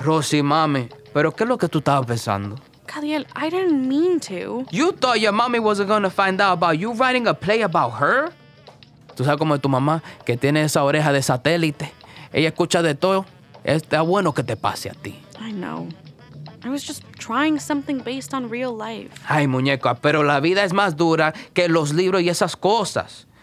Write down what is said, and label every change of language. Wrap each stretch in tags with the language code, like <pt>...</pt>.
<es>Rossy, mami, ¿pero qué es lo que tú estabas pensando?</es> <en>Cadiel, I didn't mean to. You thought your mommy wasn't gonna find out about you writing a play about her?</en> <es>Tú sabes cómo es tu mamá, que tiene esa oreja de satélite. Ella escucha de todo. Está bueno que te pase a ti.</es> <en>I know. I was just trying something based on real life.</en> <es>Ay, muñeca, pero la vida es más dura que los libros y esas cosas.</es>